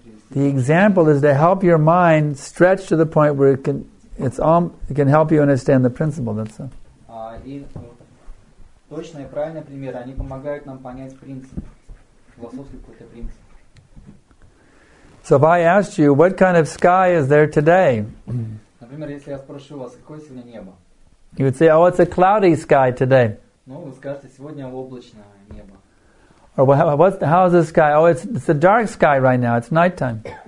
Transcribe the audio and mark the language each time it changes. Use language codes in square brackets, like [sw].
[en] The example is to help your mind stretch to the point where it can it's all, it can help you understand the principle. That's all. [ru] Точные и правильные примеры, они помогают нам понять принцип, философский какой-то принцип. [en] So if I asked you, what kind of sky is there today? [ru] Например, если я спрошу вас, какое сегодня небо? [en] You would say, oh, it's a cloudy sky today. [ru] Ну, вы скажете, сегодня облачное небо. [en] Or what's the, how's the sky? Oh, it's a dark sky right now. It's nighttime.